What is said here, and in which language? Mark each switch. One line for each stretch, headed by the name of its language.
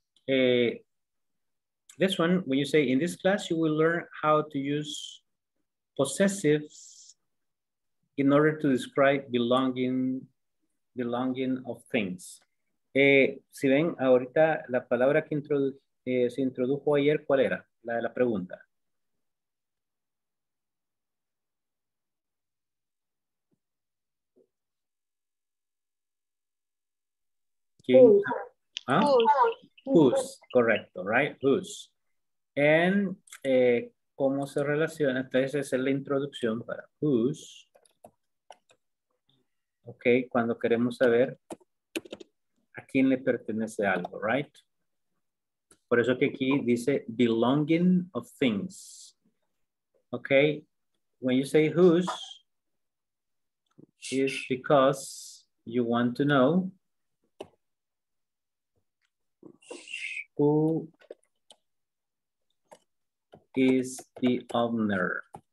English: This one, when you say in this class, you will learn how to use possessives in order to describe belonging of things.
Spanish: Si ven, ahorita la palabra que se introdujo ayer, ¿cuál era? La de la pregunta. ¿Quién?
English: Whose,
Spanish: correcto,
English: right? Whose. And
Spanish: cómo se relaciona, entonces esa es la introducción para whose. Ok, cuando queremos saber a quién le pertenece algo,
English: right?
Spanish: Por eso que aquí dice
English: belonging of things. Ok, when you say whose, it's because you want to know who is the owner?